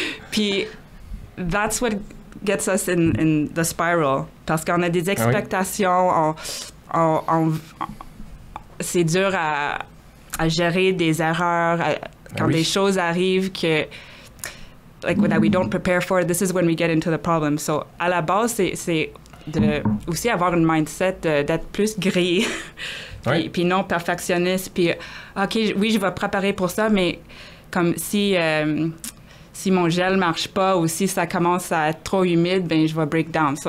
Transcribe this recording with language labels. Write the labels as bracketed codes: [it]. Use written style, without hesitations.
[fr] Puis, that's what gets us in the spiral. Parce qu'on a des expectations, oui. C'est dur à gérer des erreurs, quand oui. des choses arrivent que... [en] Like, that we don't prepare for, this is when we get into the problem. [fr] So, à la base, c'est de aussi avoir une mindset d'être plus gris, puis, oui. puis non perfectionniste, puis OK, oui, je vais préparer pour ça, mais comme si mon gel marche pas ou si ça commence à être trop humide, ben je vais [en] break down.